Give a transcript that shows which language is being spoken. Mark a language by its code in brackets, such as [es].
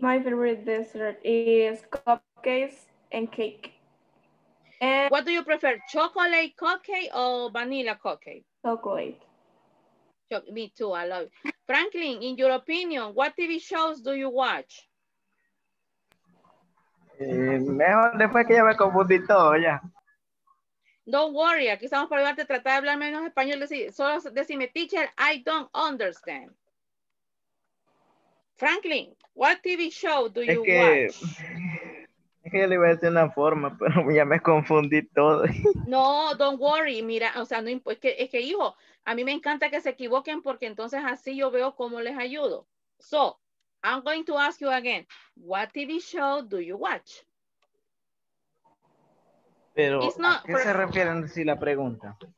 [en] My favorite dessert is cupcakes and cake. And what do you prefer, chocolate cupcake or vanilla cupcake? Chocolate. Me too, I love it. Franklin, in your opinion, what TV shows do you watch? [es] Mejor después que ya me confundí todo, ya. [en] Don't worry, [es] aquí estamos para ayudarte a tratar de hablar menos español. Solo decime, [en] teacher, I don't understand. Franklin, what TV show do you watch? [es] Es que yo le iba a decir una forma, pero ya me confundí todo. No, [en] don't worry, [es] mira, o sea, no, es que hijo, a mí me encanta que se equivoquen porque entonces así yo veo cómo les ayudo. [en] So, I'm going to ask you again, what TV show do you watch? [es] Pero, ¿a qué se refieren si la pregunta?